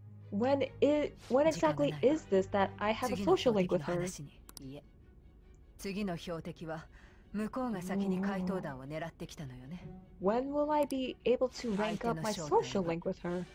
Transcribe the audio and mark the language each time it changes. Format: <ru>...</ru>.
<en>When exactly is this that I have a social link with her?</en> <ja>次の標的は 向こうが先に回答団を狙ってきたのよね。</ja> <en>When will I be able to rank up my social link with her?</en>